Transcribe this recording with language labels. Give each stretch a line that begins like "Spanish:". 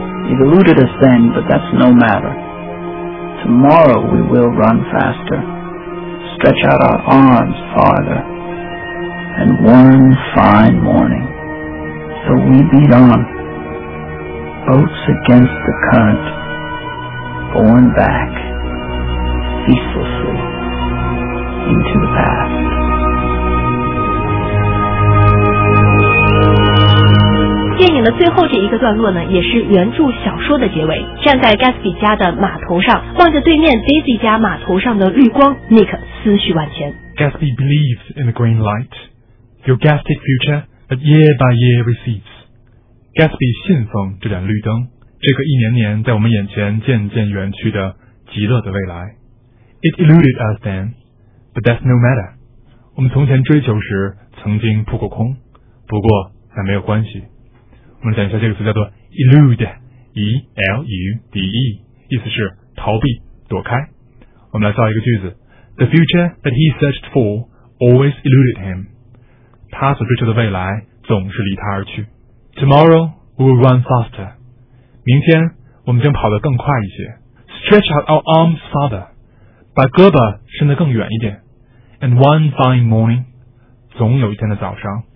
English: It eluded us then, but that's no matter. Tomorrow we will run faster, stretch out our arms farther, and one fine morning, so we beat on, boats against the current, borne back, ceaselessly, into the past.
Chinese: 电影的最后这一个段落呢，也是原著小说的结尾。站在 Gatsby 家的码头上，望着对面 Daisy 家码头上的绿光， Nick 思绪万千。
English: Gatsby believes in the green light, the orgastic future that year by year recedes.
Chinese: Gatsby 信奉这盏绿灯，这个一年年在我们眼前渐渐远去的极乐的未来。
English: It eluded us then, but that's no matter.
Chinese: 我们从前追求时曾经扑过空，不过那没有关系。我们来讲一下这个词，叫做 elude, E-L-U-D-E, 意思是逃避、躲开。我们来造一个句子，
English: The future that he searched for always eluded him.
Chinese: 他所追求的未来总是离他而去。
English: Tomorrow we will run faster.
Chinese: 明天我们将跑得更快一些。
English: Stretch out our arms farther.
Chinese: 把胳膊伸得更远一点。
English: And one fine morning.
Chinese: 总有一天的早上。